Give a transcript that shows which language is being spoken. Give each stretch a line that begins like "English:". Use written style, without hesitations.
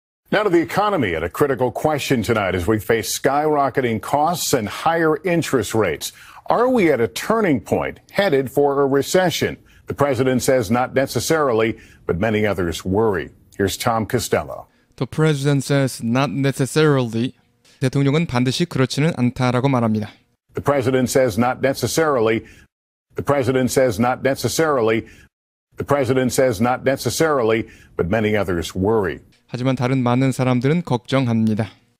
English: Now to the economy and a critical question tonight as we face skyrocketing costs and higher interest rates. Are we at a turning point headed for a recession? The president says not necessarily, but many others worry. Here's Tom Costello. The president says not necessarily.
Korean: 대통령은 반드시 그렇지는 않다라고 말합니다.
English: The president says not necessarily, but many others worry.
Korean: 하지만 다른 많은 사람들은 걱정합니다.